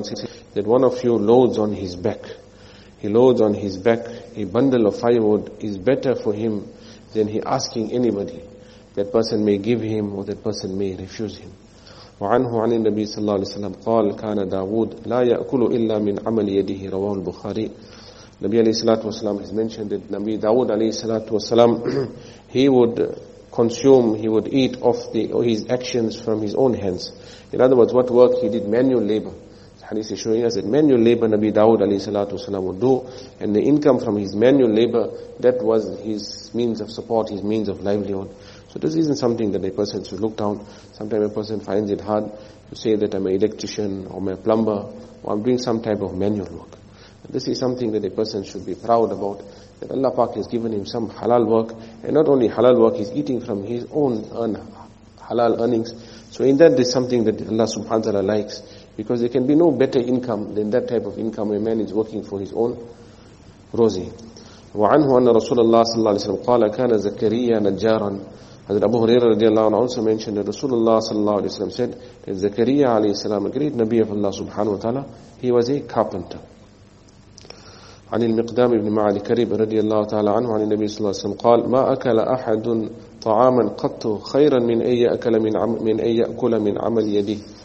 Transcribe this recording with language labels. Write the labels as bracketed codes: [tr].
[en] that one of you loads on his back. He loads on his back a bundle of firewood is better for him than he asking anybody. That person may give him or that person may refuse him. [ar] وعنه عن النبي صلى الله عليه وسلم قال كان داود لا يأكل إلا من عمل يده رواه البخاري. [en] Nabi alayhi salatu wasalam has mentioned that Nabi Dawood alayhi salatu wasalam, he would consume, he would eat off the his actions from his own hands. In other words, what work he did, manual labor. Hadith is showing us that manual labor Nabi Dawood alayhi salatu wasalam would do, and the income from his manual labor, that was his means of support, his means of livelihood. So this isn't something that a person should look down. Sometimes a person finds it hard to say that I'm an electrician or I'm a plumber or I'm doing some type of manual work. This is something that a person should be proud about, that Allah Pak has given him some halal work, and not only halal work, he's eating from his own halal earnings. So in that, there's something that Allah subhanahu wa ta'ala likes, because there can be no better income than that type of income where man is working for his own rosy. [ar] وَعَنْهُ أَنَّ رَسُولَ اللَّهِ صَلَّى اللَّهِ عَلَيْهِ وَسَلَّمْ قَالَ كَانَ زَكَرِيَّا نَجَّارًا. [en] Hazrat Abu Hurairah radiallahu anhu also mentioned that Rasulullah sallallahu alayhi wa sallam said that Zakariya alayhi salam, a great Nabi of Allah subhanahu wa ta'ala, he was a carpenter. [ar] عن المقدام بن معالي كريب رضي الله تعالى عنه عن النبي صلى الله عليه وسلم قال ما أكل أحد طعاما قط خيرا من أي أكل من يأكل من عمل يديه.